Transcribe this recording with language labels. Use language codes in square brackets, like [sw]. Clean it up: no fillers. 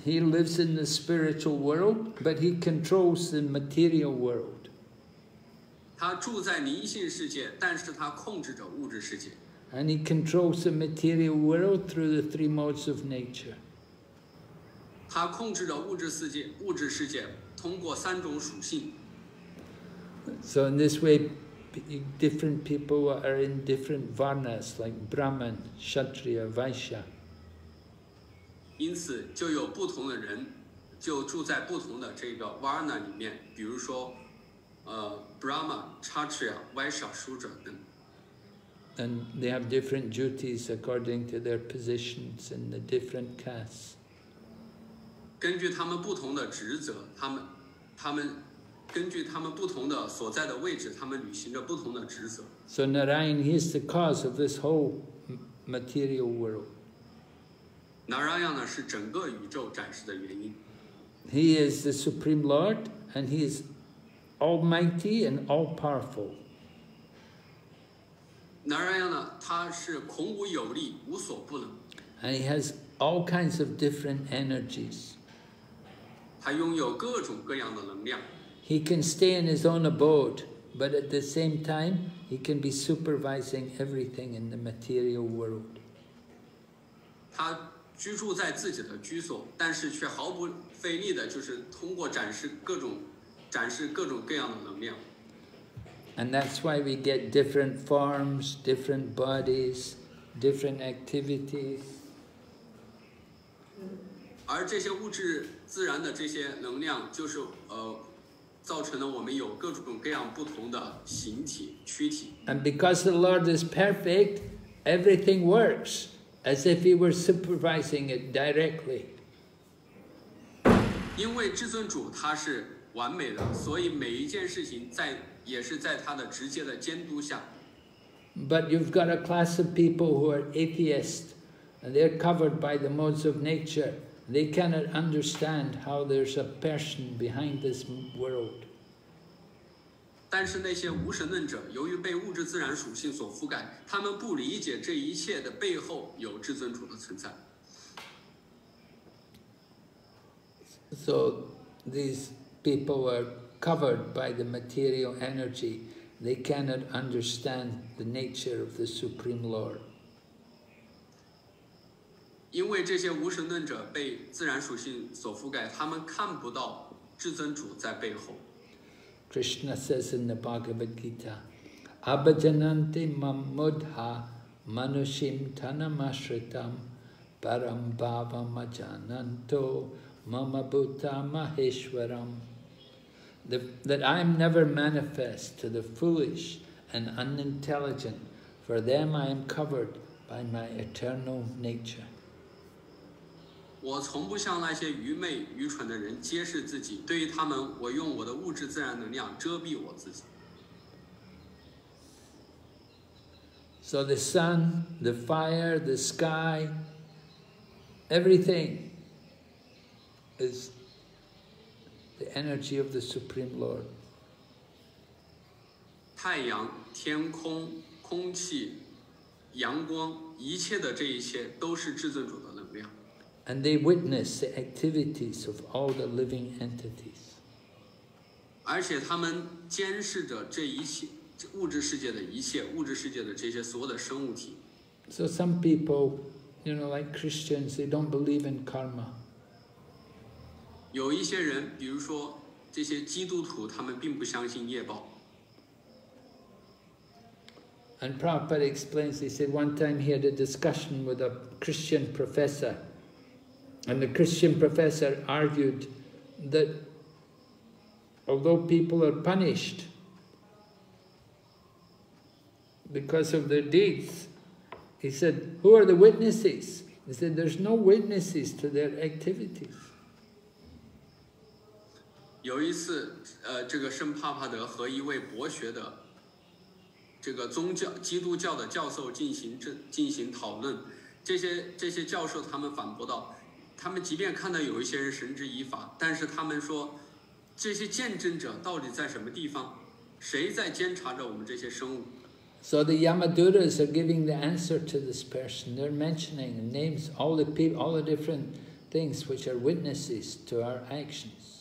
[en] He lives in the spiritual world, but he controls the material world. [zh] 他住在灵性世界，但是他控制着物质世界。 [en] And he controls the material world through the three modes of nature. [zh] 他控制着物质世界，通过三种属性。 [en] So in this way. Different people are in different varnas, like Brahman, Kshatriya, Vaishya. [zh] 因此就有不同的人就住在不同的这个 varna 里面，比如说Brahman, Kshatriya, Vaishya, Shudra 等。 [en] And they have different duties according to their positions in the different castes. [zh] 根据他们不同的职责，他们根据他们不同的所在的位置，他们履行着不同的职责。 [en] So Narayan, he is the cause of this whole material world. [zh] Narayan 呢是整个宇宙展示的原因。 [en] He is the supreme lord, and he is almighty and all powerful. [zh] Narayan 呢，他是孔武有力，无所不能。 [en] And he has all kinds of different energies. [zh] 他拥有各种各样的能量。 [en] He can stay in his own abode, but at the same time, he can be supervising everything in the material world. [zh] 他居住在自己的居所，但是却毫不费力的，就是通过展示各种各样的能量。 [en] And that's why we get different forms, different bodies, different activities. [zh] 而这些物质自然的这些能量，就是造成了我们有各种各样不同的形体、躯体。 [en] And because the Lord is perfect, everything works as if He were supervising it directly. [zh] 因为至尊主他是完美的，所以每一件事情也是在他的直接的监督下。 [en] But you've got a class of people who are atheists, and they're covered by the modes of nature. They cannot understand how there's a person behind this world. [zh] 但是那些无神论者，由于被物质自然属性所覆盖，他们不理解这一切的背后有至尊主的存在。 [en] So these people are covered by the material energy. They cannot understand the nature of the Supreme Lord. [zh] 因为这些无神论者被自然属性所覆盖，他们看不到至尊主在背后。 [en] Krishna says in the Bhagavad Gita, [sa] "Abhajanante mam mudha manushim tanamashritam param bhava majananto mama bhuta maheshwaram." [en] That I am never manifest to the foolish and unintelligent, for them I am covered by my eternal nature. [zh] 我从不向那些愚昧愚蠢的人揭示自己，对于他们，我用我的物质自然能量遮蔽我自己。 [en] So the sun, the fire, the sky, everything is the energy of the Supreme Lord. [zh] 太阳、天空、空气、阳光，一切的这一切都是至尊主的能量。 [en] And they witness the activities of all the living entities. [zh] 而且他们监视着这一切物质世界的一切，物质世界的这些所有的生物体。 [en] So some people, you know, like Christians, they don't believe in karma. [zh] 有一些人，比如说这些基督徒，他们并不相信业报。 [en] And Prabhupada explains, he said one time he had a discussion with a Christian professor, and the Christian professor argued that although people are punished because of their deeds, he said, who are the witnesses? He said, there's no witnesses to their activities. [zh] 有一次，这个圣帕帕德和一位博学的这个宗教基督教的教授进行讨论，这些教授他们反驳道，他们即便看到有一些人绳之以法，但是他们说，这些见证者到底在什么地方？谁在监察着我们这些生物 [en] ？So the Yamaduras are giving the answer to this person. They're mentioning names, all the people, all the different things which are witnesses to our actions.